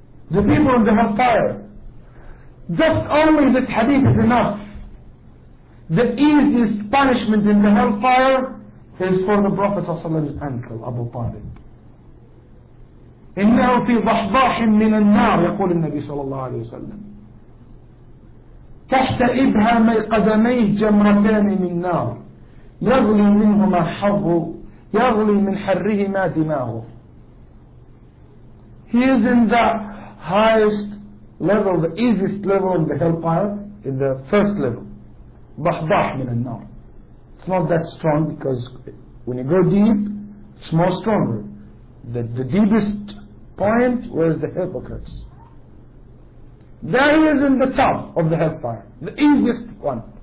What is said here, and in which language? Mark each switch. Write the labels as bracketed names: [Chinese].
[English] The people in the hellfire, just only this hadith is enough. The easiest punishment in the hellfire is for the Prophet's uncle, Abu Talib. [Arabic] إِنَّهُ فِي ضَحْضَاحٍ مِّنَ النَّارِ يقول النبي صلى الله عليه وسلم تحت إبهام قدميه جمرتان من نار يغلي منهما حره يغلي من حرهما دماغه. [English] He is in the highest level, the easiest level of the hellfire, in the first level. [Arabic] ضحضاح من النار. [English] It's not that strong, because when you go deep, it's more stronger. The deepest point was the hypocrites. There he is in the top of the hellfire, the easiest one.